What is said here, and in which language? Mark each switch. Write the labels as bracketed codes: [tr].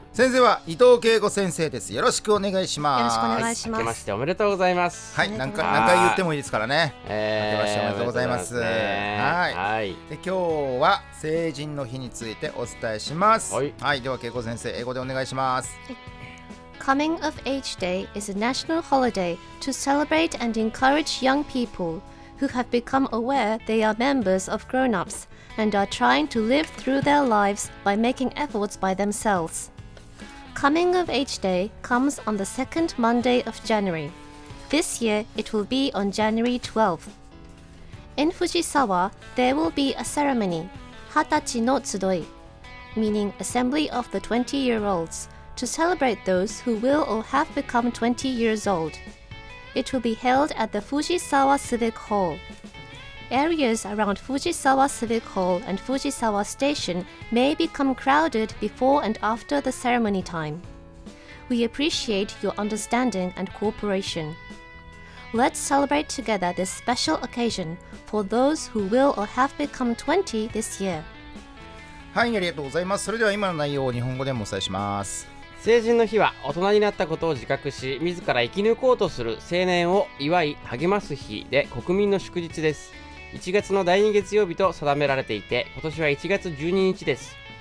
[ja] 先生は伊藤圭吾先生です。よろしくお願いします。よろしくお願いします。明けましておめでとうございます。はい、何回言ってもいいですからね。明けましておめでとうございます。はい、はい、で今日は成人の日についてお伝えします。はい、はい、では圭吾先生、英語でお願いします。 [en] Coming of Age Day is a national holiday to celebrate and encourage young people who have become aware they are members of grown-ups and are trying to live through their lives by making efforts by themselves. Coming of Age Day comes on the second Monday of January. This year, it will be on January 12th. In Fujisawa, there will be a ceremony, Hatachi no Tsudoi, meaning Assembly of the 20-year-olds,to celebrate those who will or have become 20 years old. It will be held at the Fujisawa Civic Hall. Areas around Fujisawa Civic Hall and Fujisawa Station may become crowded before and after the ceremony time. We appreciate your understanding and cooperation. Let's celebrate together this special occasion for those who will or have become 20 this year. [ja] はい、ありがとうございます。それでは今の内容を日本語でもお伝えします。成人の日は大人になったことを自覚し自ら生き抜こうとする青年を祝い励ます日で、国民の祝日です。 1月の第2月曜日と定められていて、今年は1月12日です。